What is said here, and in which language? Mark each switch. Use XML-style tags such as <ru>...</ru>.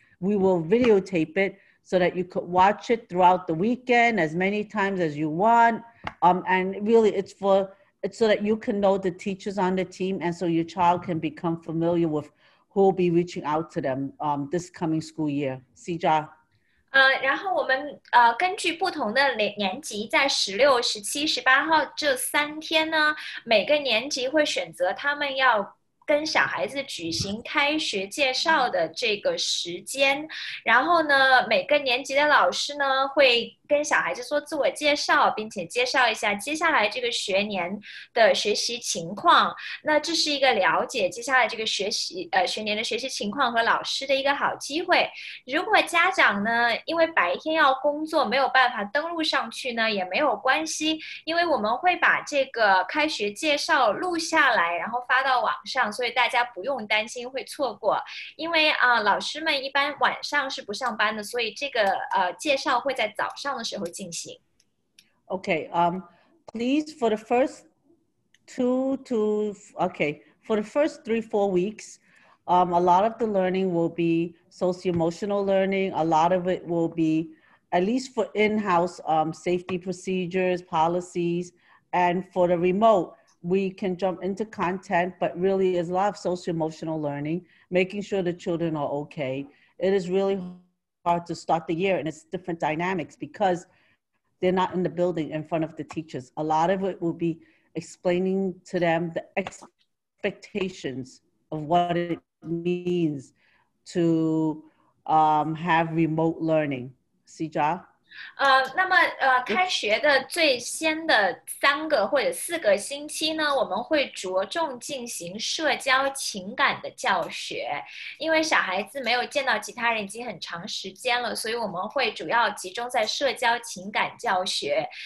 <en>We will videotape it so that you could watch it throughout the weekend as many times as you want. And really, it's so that you can know the teachers on the team and so your child can become familiar with who will be reaching out to them this coming school year. Sija.</en> <zh>然后我们根据不同的年级，在16、17、18号这三天呢，每个年级会选择他们要跟小孩子举行开学介绍的这个时间，然后呢，每个年级的老师呢会跟小孩子做自我介绍，并且介绍一下接下来这个学年的学习情况。那这是一个了解接下来这个学年的学习情况和老师的一个好机会。如果家长呢，因为白天要工作没有办法登录上去呢，也没有关系，因为我们会把这个开学介绍录下来，然后发到网上，所以大家不用担心会错过。因为老师们一般晚上是不上班的，所以这个介绍会在早上。</zh> <en>Okay, please for the first first 3-4 weeks, a lot of the learning will be socio-emotional learning. A lot of it will be at least for in-house safety procedures, policies, and for the remote, we can jump into content, but really is a lot of socio-emotional learning, making sure the children are okay. It is really hard to start the year, and it's different dynamics because they're not in the building in front of the teachers. A lot of it will be explaining to them the expectations of what it means to have remote learning. Sija?</en> <zh>那么开学的最先的三个或者四个星期呢，我们会着重进行社交情感的教学，因为小孩子没有见到其他人已经很长时间了，所以我们会主要集中在社交情感教学。</zh>